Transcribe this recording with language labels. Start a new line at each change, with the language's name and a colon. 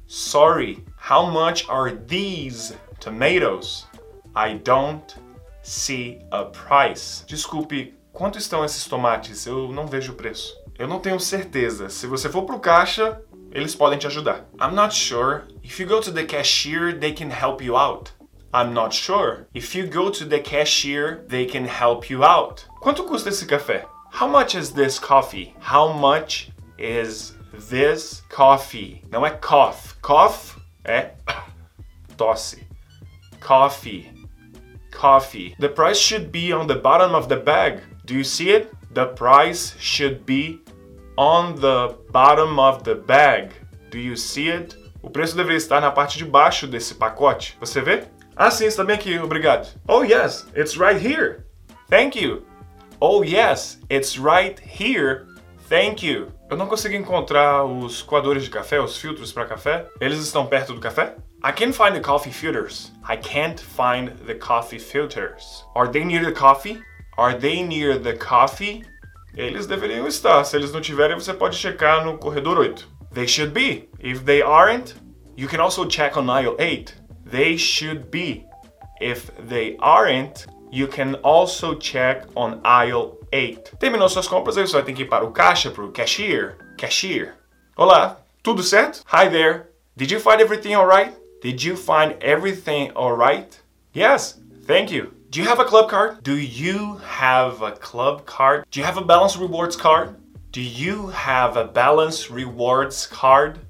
English: Sorry, how much are these tomatoes? I don't see a price.
Portuguese: Desculpe, quanto estão esses tomates? Eu não vejo o preço. Eu não tenho certeza. Se você for pro caixa, eles podem te ajudar.
English: I'm not sure. If you go to the cashier, they can help you out. I'm not sure. If you go to the cashier, they can help you out.
Portuguese: Quanto custa esse café?
English: How much is this coffee? How much is this coffee?
Portuguese: Não é cough. Cough é tosse. Coffee. Coffee.
English: The price should be on the bottom of the bag. Do you see it? The price should be on the bottom of the bag. Do you see it?
Portuguese: O preço deveria estar na parte de baixo desse pacote. Você vê? Ah, sim, está bem aqui. Obrigado.
English: Oh, yes, it's right here. Thank you. Oh, yes, it's right here. Thank you.
Portuguese: Eu não consigo encontrar os coadores de café, os filtros para café. Eles estão perto do café?
English: I can't find the coffee filters. I can't find the coffee filters. Are they near the coffee? Are they near the coffee?
Portuguese: Eles deveriam estar. Se eles não tiverem, você pode checar no corredor 8.
English: They should be. If they aren't, you can also check on aisle 8. They should be. If they aren't, you can also check on aisle 8.
Portuguese: Terminou suas compras, aí você vai ter que ir para o caixa, para o cashier. Cashier. Olá, tudo certo?
English: Hi there. Did you find everything alright? Did you find everything alright? Yes, thank you. Do you have a club card? Do you have a club card? Do you have a balance rewards card? Do you have a balance rewards card?